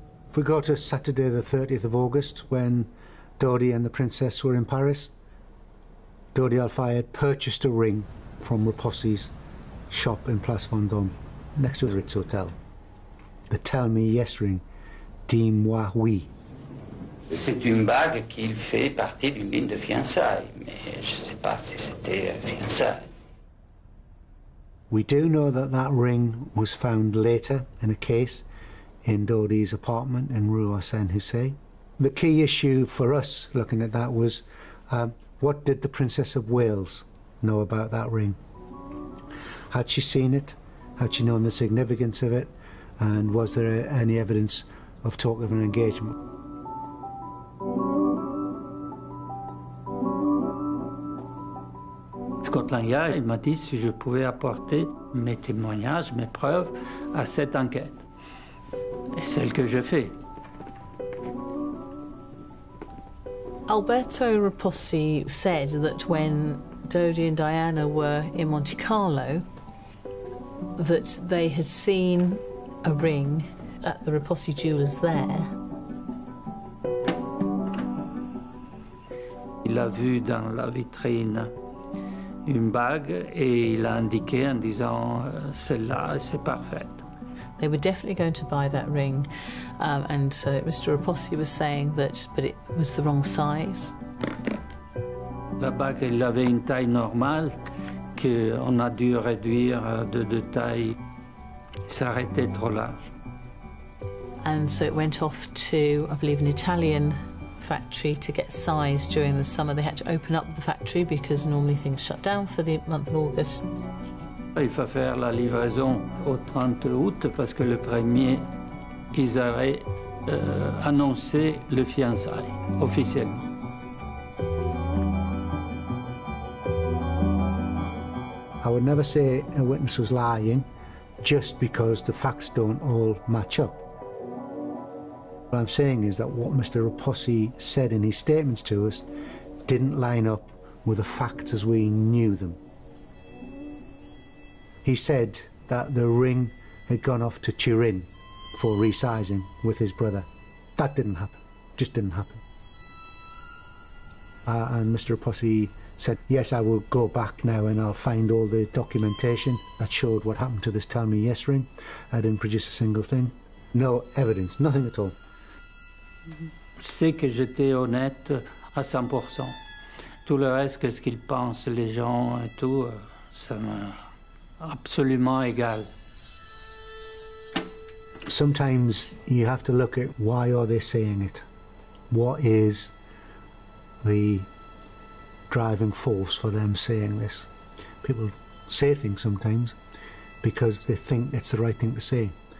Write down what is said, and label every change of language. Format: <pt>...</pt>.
<en>If we go to Saturday the 30th of August when Dodie and the princess were in Paris, Dodie Al-Fayed purchased a ring from Rapossi's shop in Place Vendôme next to the Ritz Hotel. The tell me yes ring,</en> <fr>dis-moi oui. C'est une bague qui fait partie d'une ligne de fiançailles, mais je ne sais pas si c'était fiançailles.</fr> <en>We do know that that ring was found later in a case in Dodie's apartment in Rue Arsène Houssaye. The key issue for us looking at that was what did the Princess of Wales know about that ring? Had she seen it? Had she known the significance of it? And was there any evidence of talk of an engagement?</en> <fr>Scott Langyard, il m'a dit si je pouvais apporter mes témoignages, mes preuves à cette enquête. Et celle que je fais.</fr> <en>Alberto Rapossi said that when Dodie and Diana were in Monte Carlo, that they had seen a ring at the Rapossi jewellers there.</en> <fr>Il a vu dans la vitrine une bague et il a indiqué en disant celle-là, c'est parfait.</fr> <en>They were definitely going to buy that ring, and so Mr. Rapossi was saying that, but it was the wrong size.</en> <fr>La bague, elle avait une taille normale que on a dû réduire de taille. Ça arrêtait trop large.</fr> <en>And so it went off to, I believe, an Italian factory to get sized during the summer. They had to open up the factory because normally things shut down for the month of August.</en> <fr>Il faut faire la livraison au 30 août parce que le premier, ils avaient annoncé le fiançailles officiellement.</fr> <en>I would never say a witness was lying just because the facts don't all match up. What I'm saying is that what Mr. Rapossi said in his statements to us didn't line up with the facts as we knew them. He said that the ring had gone off to Turin for resizing with his brother. That didn't happen, just didn't happen. And Mr. Rapossi said, yes, I will go back now and I'll find all the documentation that showed what happened to this tell me yes ring. I didn't produce a single thing. No evidence, nothing at all.</en> <fr>C'est que j'étais honnête à 100%. Tout le reste, qu'est-ce qu'ils pensent, les gens et tout, ça me... absolument égal.</fr> <en>Sometimes you have to look at why are they saying it? What is the driving force for them saying this? People say things sometimes because they think it's the right thing to say.</en>